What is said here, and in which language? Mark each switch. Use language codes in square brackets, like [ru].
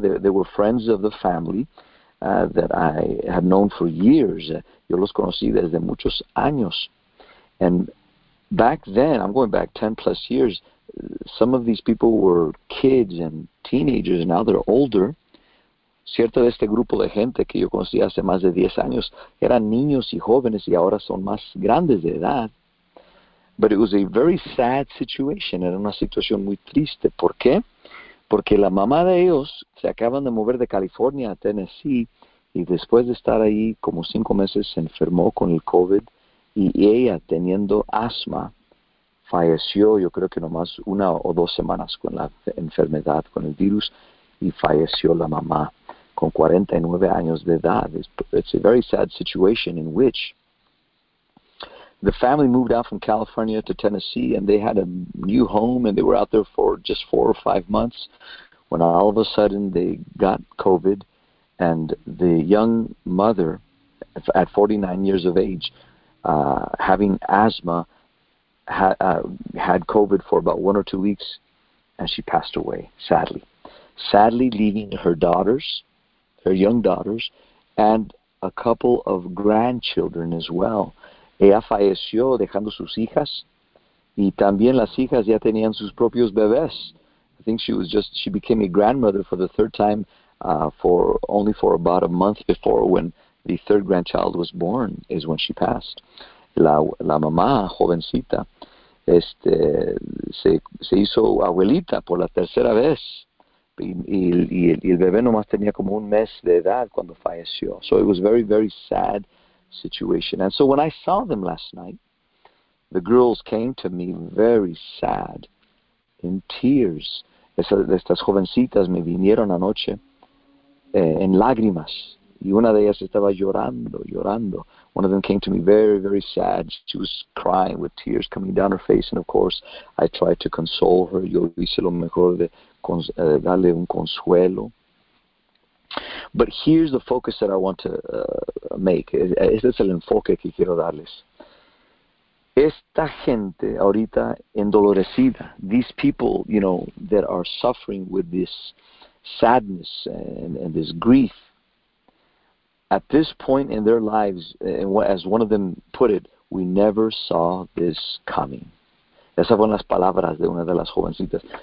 [en] They were friends of the family that I had known for years. [es] Yo los conocí desde muchos años. [en] And back then, I'm going back 10 plus years, some of these people were kids and teenagers, and now they're older. [es] Cierto de este grupo de gente que yo conocí hace más de 10 años eran niños y jóvenes y ahora son más grandes de edad. [en] But it was a very sad situation. [es] Era una situación muy triste. ¿Por qué? Porque la mamá de ellos se acaban de mover de California a Tennessee y después de estar ahí como 5 meses se enfermó con el COVID y ella, teniendo asma, falleció, yo creo que nomás una o dos semanas con la enfermedad, con el virus, y falleció la mamá con 49 años de edad. [en] It's a very sad situation in which the family moved out from California to Tennessee and they had a new home and they were out there for just 4 or 5 months when all of a sudden they got COVID and the young mother at 49 years of age, having asthma, had COVID for about 1 or 2 weeks and she passed away, sadly. Sadly leaving her daughters, her young daughters, and a couple of grandchildren as well. [es] Ella falleció dejando sus hijas, y también las hijas ya tenían sus propios bebés. [en] I think she became a grandmother for the third time for about a month before when the third grandchild was born is when she passed. [es] La mamá jovencita se hizo abuelita por la tercera vez. Y el bebé nomás tenía como un mes de edad cuando falleció. [en] So it was a very, very sad situation. And so when I saw them last night, the girls came to me very sad, in tears. [es] Estas jovencitas me vinieron anoche en lágrimas, Y una de ellas estaba llorando, llorando. [en] One of them came to me very, very sad. She was crying with tears coming down her face. And of course, I tried to console her. [es] Yo hice lo mejor de darle un consuelo. [en] But here's the focus that I want to make. [es] Este es el enfoque que quiero darles. Esta gente ahorita endolorecida, [en] these people, you know, that are suffering with this sadness and this grief, at this point in their lives, and as one of them put it, we never saw this coming. [es] Esas fueron las palabras de una de las jovencitas.